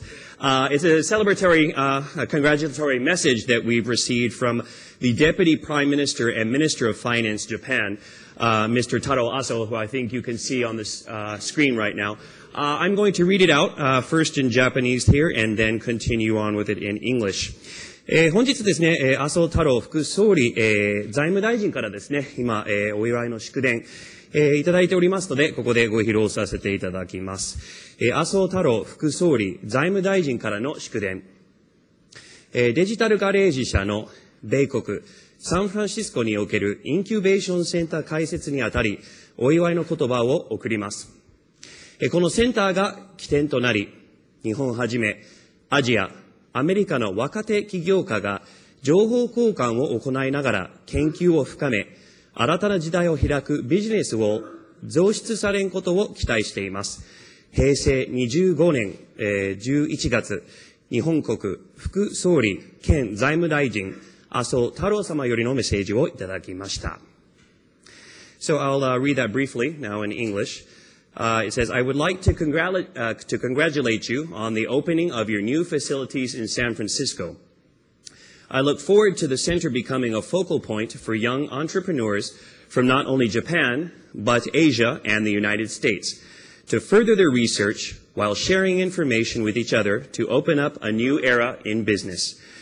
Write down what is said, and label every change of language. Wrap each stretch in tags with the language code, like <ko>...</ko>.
<en>It's a celebratory, a congratulatory message that we've received from the Deputy Prime Minister and Minister of Finance, Japan, Mr. Taro Aso, who I think you can see on the screen right now. I'm going to read it out first in Japanese here and then continue on with it in English.</en> <ja>本日ですね、麻生太郎副総理、財務大臣からですね、今、お祝いの祝電、いただいておりますので、ここでご披露させていただきます。麻生太郎副総理、財務大臣からの祝電。デジタルガレージ社の米国、サンフランシスコにおけるインキュベーションセンター開設にあたり、お祝いの言葉を送ります。このセンターが起点となり、日本はじめ、アジア、アメリカの若手起業家が情報交換を行いながら研究を深め、新たな時代を開くビジネスを増出されんことを期待しています。平成25年、11月、日本国副総理兼財務大臣麻生太郎様よりのメッセージをいただきました。</ja> <en>So I'll read that briefly now in English. It says, I would like to congratulate you on the opening of your new facilities in San Francisco. I look forward to the center becoming a focal point for young entrepreneurs from not only Japan, but Asia and the United States to further their research while sharing information with each other to open up a new era in business.</en>